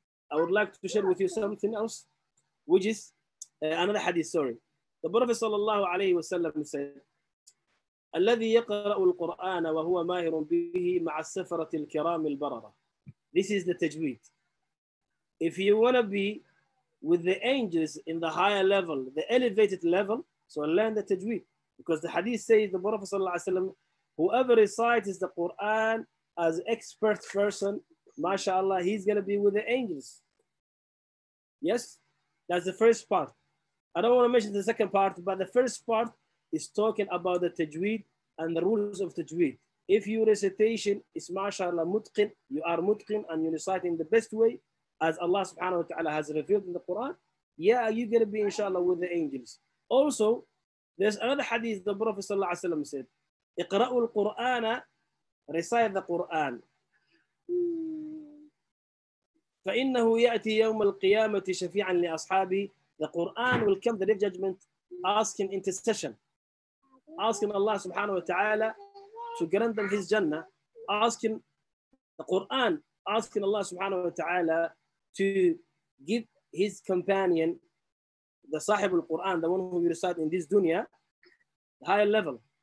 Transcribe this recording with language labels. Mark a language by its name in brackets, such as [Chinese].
[English] I would like to share with you something else, which is another hadith, sorry. The Prophet sallallahu alayhi wa sallam said, [Arabic] الَّذِي يَقْرَأُ الْقُرْآنَ وَهُوَ مَاهِرٌ بِهِ مَعَ السَّفَرَةِ الْكِرَامِ الْبَرَرَةِ. [English] This is the tajweed. If you want to be with the angels in the higher level, the elevated level, so learn the tajweed. Because the hadith says, the Prophet sallallahu alayhi wa sallam, whoever recites the Quran as expert person, mashallah, he's going to be with the angels. Yes? That's the first part. I don't want to mention the second part, but the first part is talking about the tajweed and the rules of tajweed. If your recitation is mashallah mutqin, you are mutqin and you recite in the best way, as Allah subhanahu wa ta'ala has revealed in the Quran, yeah, you're going to be inshallah with the angels. Also, there's another hadith the Prophet sallallahu alayhi wa sallam said, [Arabic] اقرأوا القرآن, [English] recite the Quran. [Arabic] فإنه يأتي يوم القيامة شفيعا لأصحابي. [English] The Quran will come the day of judgment asking intercession, asking Allah subhanahu wa ta'ala to grant them his Jannah, asking the Quran, asking Allah subhanahu wa ta'ala to give his companion, the sahib al-Quran, the one who recites in this dunya, the higher level.